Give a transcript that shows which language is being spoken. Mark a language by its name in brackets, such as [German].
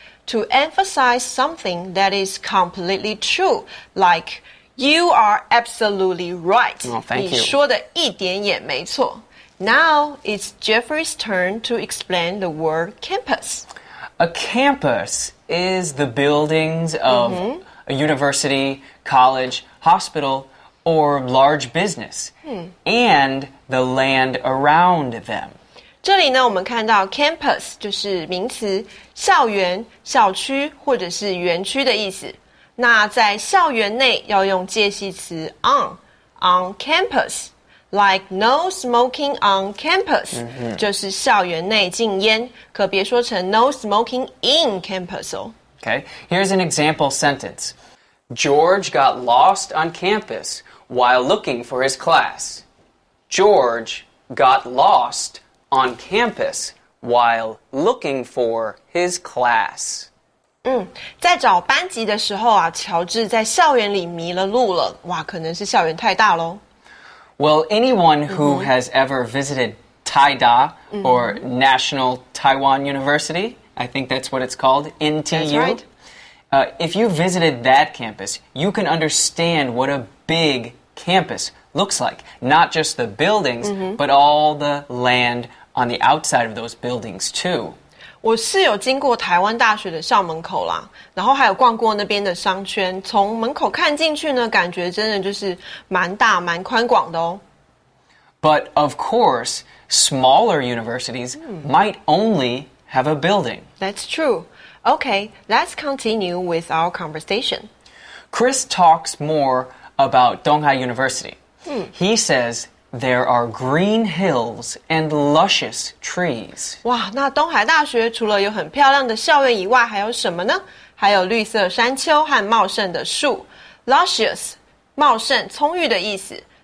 [English] To emphasize something that is completely true, like you are absolutely right. Thank you. [Chinese] 你说的一点也没错。 [English] Now it's Jeffrey's turn to explain the word campus. A campus is the buildings of a university, college, hospital, or large business, and the land around them. [Chinese] 这里呢，我们看到 campus 就是名词，校园、校区或者是园区的意思。那在校园内要用介系词 on campus, [English] like no smoking on campus, [Chinese] 就是校园内禁烟，可别说成 [English] no smoking in campus [Chinese] 哦。 [English] Okay, here's an example sentence. George got lost on campus while looking for his class. George got lost. On campus while looking for his class. [Chinese] 在找班级的时候啊，乔治在校园里迷了路了。哇，可能是校园太大咯。 [English] Well, anyone who has ever visited Taida or National Taiwan University, I think that's what it's called, NTU. That's right. If you visited that campus, you can understand what a big campus looks like. Not just the buildings, but all the landon the outside of those buildings, too. [Chinese] 我是有经过台湾大学的校门口啦，然后还有逛过那边的商圈，从门口看进去呢，感觉真的就是蛮大、蛮宽广的哦。 [English] But of course, smaller universities might only have a building. That's true. Okay, let's continue with our conversation. Chris talks more about Donghai University. He says... There are green hills and luscious trees. [Chinese] 哇，那东海大学除了有很漂亮的校园以外，还有什么呢？还有绿色山丘和茂盛的树。Luscious, 茂盛、葱郁的意思。